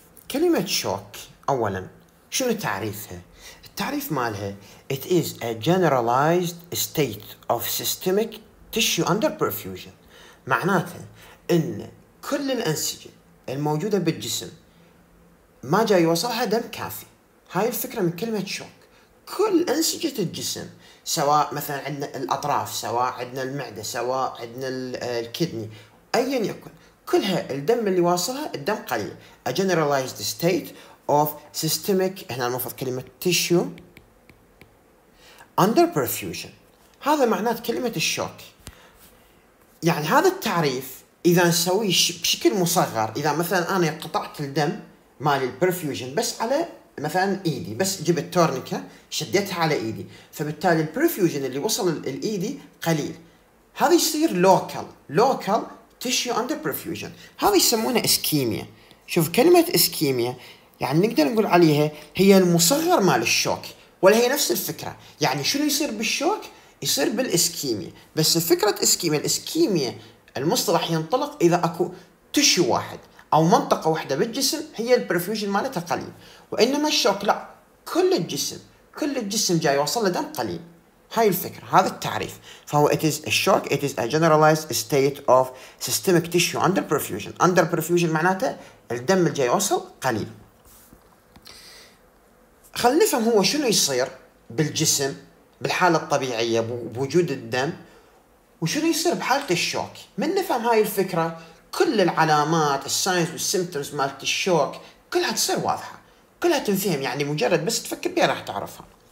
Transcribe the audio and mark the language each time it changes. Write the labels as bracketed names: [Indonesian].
[Arabic] كلمة شوك أولا شنو تعريفها؟ التعريف مالها [English] It is a generalized state of systemic tissue under perfusion، [Arabic] معناتها ان كل الانسجة الموجودة بالجسم ما جاي يوصلها دم كافي. هاي الفكرة من كلمة شوك، كل انسجة الجسم سواء مثلا عندنا الاطراف، سواء عندنا المعدة، سواء عندنا الكدني، ايا يكن، كلها الدم اللي واصلها الدم قليل. [English] A generalized state of systemic، [Arabic] هنا المفروض كلمة [English] tissue under perfusion، [Arabic] هذا معنات كلمة الشوك. يعني هذا التعريف إذا نسويه بشكل مصغر، إذا مثلا أنا قطعت الدم مال البرفيوجن بس على مثلا إيدي، بس جبت تورنيكا شديتها على إيدي، فبالتالي البرفيوجن اللي وصل الإيدي قليل، هذا يصير [English] local tissue under perfusion، [Arabic] هذا يسمونه إسكيميا. شوف كلمة إسكيميا يعني نقدر نقول عليها هي المصغر مال الشوك، ولا هي نفس الفكرة. يعني شنو يصير بالشوك؟ يصير بالإسكيميا، بس فكرة إسكيميا، الإسكيميا المصطلح ينطلق إذا أكو تشو واحد أو منطقة واحدة بالجسم هي البرفيوجن مالتها قليل، وإنما الشوك لا، كل الجسم جاي وصل لدم قليل. هاي الفكرة، هذا التعريف. [English] فهو it is a shock, it is a generalized state of systemic tissue under perfusion. Under perfusion [Arabic] معناته الدم الجاي وصل قليل. خلينا نفهم هو شنو يصير بالجسم بالحالة الطبيعية بوجود الدم، وشنو يصير بحالة الشوك. من نفهم هاي الفكرة كل العلامات الساينز والسيمتومز مالت الشوك كلها تصير واضحة، كلها تنفهم، يعني مجرد بس تفكر بيها راح تعرفها.